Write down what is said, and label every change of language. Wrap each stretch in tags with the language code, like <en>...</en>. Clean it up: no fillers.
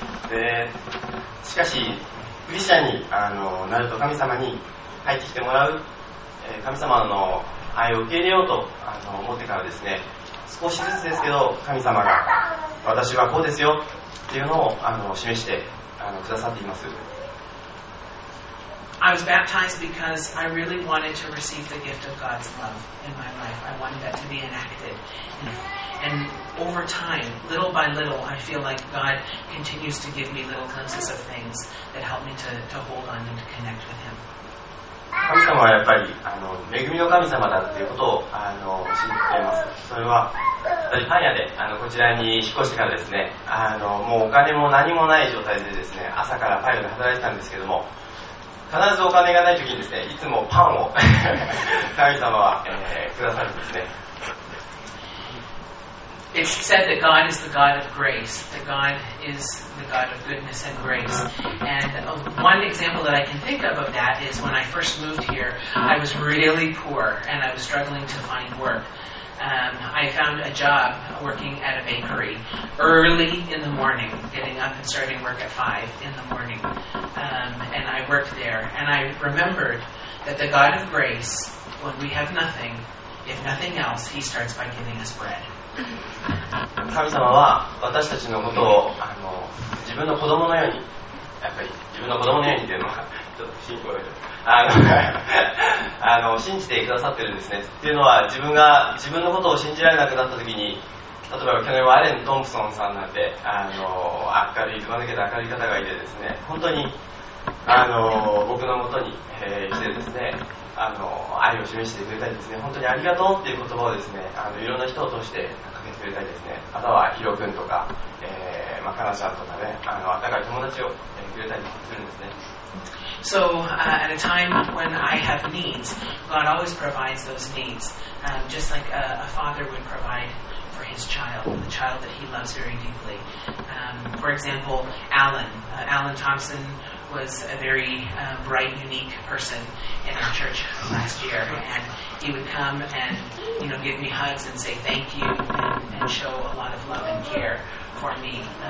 <ja>で、しかし、クリスチャンになると神様に入ってきてもらう、神様の愛を受け入れようと思ってからですね、少しずつですけど神様が私はこうですよっていうのを示してくださっています。</ja> <en>I was baptized because I really wanted to receive the gift of God's love in my life. I wanted that to be enacted. And over time, little by little, I feel like God continues to give me little glimpses of things that help me to hold on and to connect with Him.</en> <ja>神様はやっぱり恵みの神様だということを知っています。それはパン屋でこちらに引っ越してからですね、もうお金も何もない状態でですね、朝からパン屋で働いてたんですけども、必ずお金がない時にですね、いつもパンを神様は、くださるんですね。</ja> <en>It's said that God is the God of grace, that God is the God of goodness and grace. And one example that I can think of that is when I first moved here, I was really poor and I was struggling to find work. I found a job working at a bakery early in the morning, getting up and starting work at 5 in the morning. And I worked there and I remembered that the God of grace when we have nothing, if nothing else, he starts by giving us bread.</en> <ja>神様は私たちのことを自分の子供のように、やっぱり自分の子供のようにというのはちょっと信仰です。信じてくださってるんですね。っていうのは自分が自分のことを信じられなくなった時に、例えば去年はアレン・トンプソンさんなんて明るい、ずば抜けた明るい方がいてですね、本当に僕のもとに、来てですね、愛を示してくれたりですね、本当にありがとうっていう言葉をですね、いろんな人を通してかけてくれたりですね、あとはヒロ君とか、まあ、かなちゃんとかね、温かい友達を、くれたりするんですね。</ja> <en>So, at a time when I have needs, God always provides those needs, just like a father would provide for his child, the child that he loves very deeply. For example, Alan. Alan Thompson was a very bright, unique person in our church last year, and he would come and, you know, give me hugs and say thank you and show a lot of love and care for me.</en>